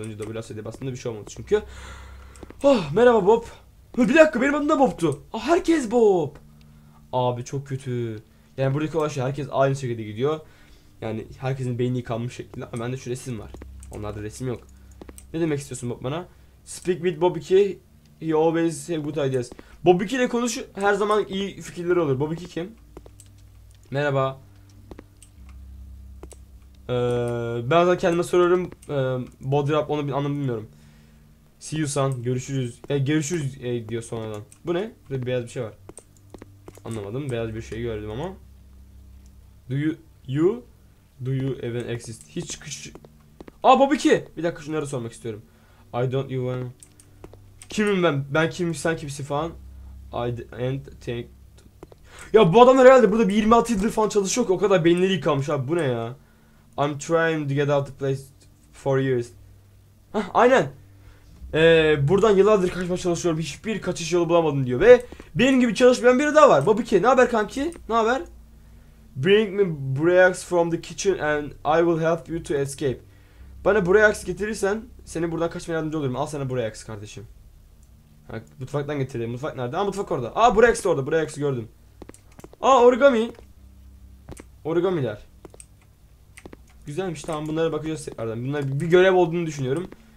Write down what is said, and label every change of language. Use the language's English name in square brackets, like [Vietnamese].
[Turkish] Az önce WASD bastığında bir şey olmadı çünkü. Merhaba Bob. Bir dakika, benim adım da Bob'tu. Herkes Bob. Abi çok kötü. Yani buradaki olay şey, herkes aynı şekilde gidiyor. Yani herkesin beyni yıkanmış şekilde ama bende şu resim var. Onlarda resim yok. Ne demek istiyorsun Bob bana? [English] Speak with Bobiki, he always have good ideas. [Turkish] Bobiki ile konuş, her zaman iyi fikirleri olur. Bobiki kim? Merhaba. Ben zaten kendime soruyorum. Bodrap onu bir anlamı bilmiyorum. [English] See you son, [Turkish] görüşürüz. Görüşürüz diyor sonradan. Bu ne? Burada bir beyaz bir şey var. Anlamadım, beyaz bir şey gördüm ama. [English] Do you even exist? [Turkish] Hiç çıkış. Aa [English] Bobiki! [Turkish] Bir dakika şunları sormak istiyorum. [English] I don't even... [Turkish] Kimim ben? Ben kimim, sen kimsin falan. [English] I didn't think... [Turkish] Ya bu adamlar herhalde burada bir 26 yıldır falan çalışıyor ki o kadar beyinleri yıkanmış abi, bu ne ya? [English] I'm trying to get out of the place for years. [Turkish] Hah, aynen. Buradan yıllardır kaçmaya çalışıyorum, hiçbir kaçış yolu bulamadım diyor ve benim gibi çalışmayan biri daha var. Bobiki, ne haber kanki? Ne haber? [English] Bring me Briax from the kitchen and I will help you to escape. [Turkish] Bana Briax getirirsen seni buradan kaçmaya yardımcı olurum. Al sana Briax kardeşim. Ha, mutfaktan getireyim. Mutfak nerede? Aa mutfak orada. Aa Briax orada. Briax gördüm. Aa origami. Origamiler. Güzelmiş. Tamam bunlara bakacağız tekrardan. Bunlar bir görev olduğunu düşünüyorum.